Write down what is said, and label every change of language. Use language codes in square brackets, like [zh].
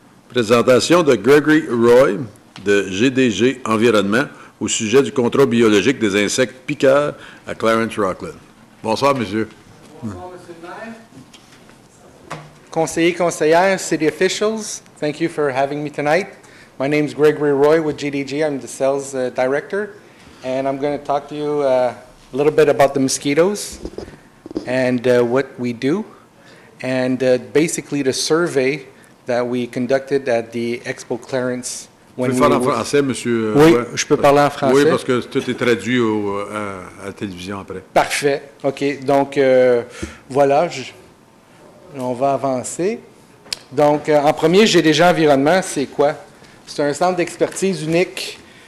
[fr] Présentation de Gregory Roy, de GDG Environnement, au sujet du contrôle biologique des insectes piqueurs à Clarence Rockland. Bonsoir, monsieur. Conseillers, conseillères, [en] city officials, thank you for having me tonight. My name is Gregory Roy with GDG. I'm the sales director, and I'm going to talk to you a little bit about the mosquitoes and what we do. And basically, the survey that we conducted at the Expo Clarence. [fr] Vous pouvez parler en français, monsieur? Oui, je peux parler en français. Oui, parce que tout est traduit à la télévision après. Parfait. OK. Donc, voilà. On va avancer. Donc, en premier, j'ai déjà environnement. C'est quoi? C'est un centre d'expertise unique.